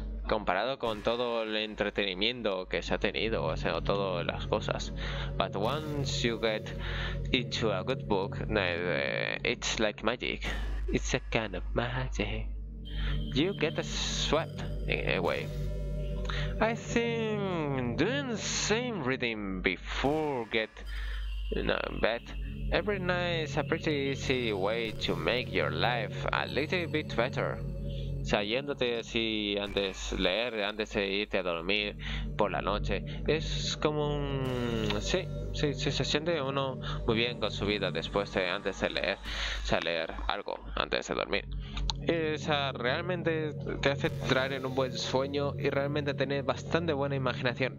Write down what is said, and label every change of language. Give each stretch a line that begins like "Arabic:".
Spanish: Comparado con todo el entretenimiento que se ha tenido, o sea, todas las cosas.
English: But once you get into a good book, it's like magic. It's a kind of magic. You get a sweat anyway. I think doing the same reading before bed every night is a pretty easy way to make your life a little bit better.
Spanish: Saliéndote así antes leer, antes de irte a dormir por la noche, es como un sí, se siente uno muy bien con su vida después de antes de leer, o sea, leer algo antes de dormir. Esa realmente te hace entrar en un buen sueño y realmente tener bastante buena imaginación.